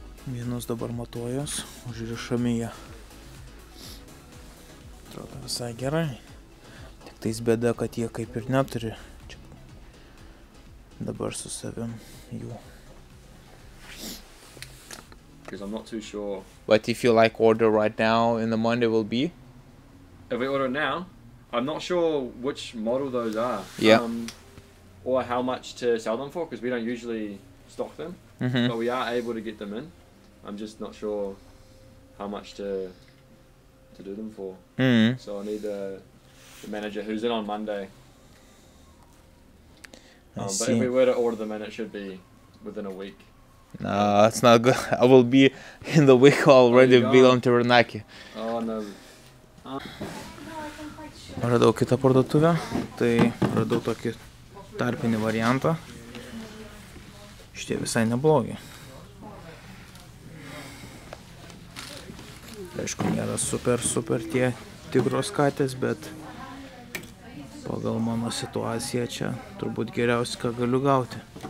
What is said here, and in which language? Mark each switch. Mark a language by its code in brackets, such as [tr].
[lt] Vienus dabar matuojos, užrišami ją. Atrodo visai gerai. Tais bėda, kad jie kaip ir neturi čia dabar su savim jų. [en] Because I'm not too sure. But if you like order right now in the Monday will be? If we order now, I'm not sure which model those are. Yeah. Or how much to sell them for, because we don't usually stock them. Mm-hmm. But we are able to get them in. I'm just not sure how much to do them for. Mm-hmm. So I need the manager who's in on Monday. I see. But if we were to order them in, it should be within a week. No, it's not good. I will be in the week already belong to Renaki. Oh no. [lt] Radau kitą parduotuvę. Tai radau tokį tarpinį variantą. Šitie visai neblogi. Aišku, nėra super tie tigros katės, bet pagal mano situaciją čia turbūt geriausia, ką galiu gauti.